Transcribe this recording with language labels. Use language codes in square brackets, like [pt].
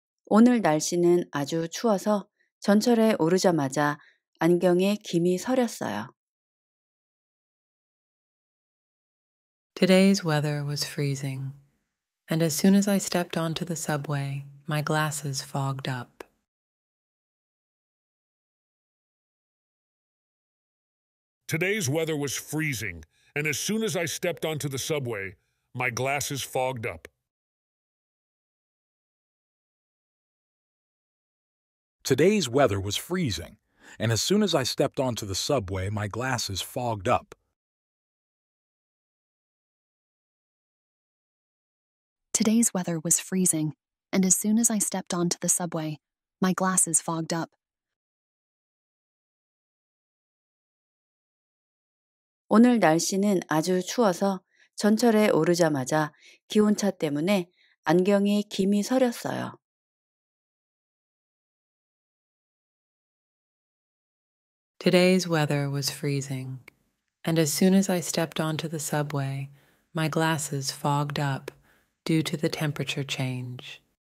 [ko] 오늘 날씨는 아주 추워서 전철에 오르자마자 안경에 김이 서렸어요. [en] Today's weather was freezing, and as soon as I stepped onto the subway, my glasses fogged up. Today's weather was freezing, and as soon as I stepped onto the subway, My glasses fogged up. Today's weather was freezing, and as soon as I stepped onto the subway, my glasses fogged up. Today's weather was freezing, and as soon as I stepped onto the subway, my glasses fogged up. [ko] 오늘 날씨는 아주 추워서 전철에 오르자마자 기온차 때문에 안경이 김이 서렸어요. [en] Today's weather was freezing, and as soon as I stepped onto the subway, my glasses fogged up due to the temperature change.